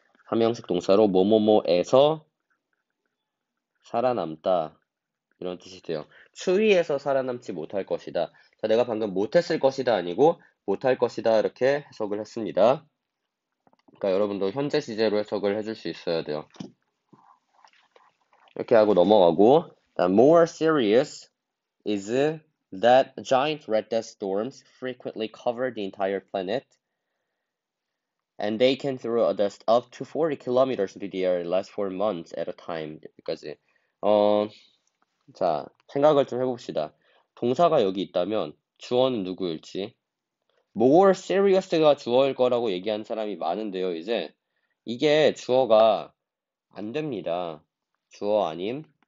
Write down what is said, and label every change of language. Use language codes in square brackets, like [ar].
[ko] 삼형식 동사로 뭐뭐뭐에서 살아남다 이런 뜻이 돼요. 추위에서 살아남지 못할 것이다. 자, 내가 방금 못했을 것이다 아니고 못할 것이다 이렇게 해석을 했습니다. 그러니까 여러분도 현재 시제로 해석을 해줄 수 있어야 돼요. 이렇게 하고 넘어가고, [en] more serious is that giant red dust storms frequently cover the entire planet. And they can throw a dust up to 40 km into the air and last for months at a time. [ko] 여기까지. 자, 생각을 좀 해봅시다. 동사가 여기 있다면 주어는 누구일지. More serious가 주어일 거라고 얘기한 사람이 많은데요, 이제. 이게 주어가 안 됩니다. 주어 아님.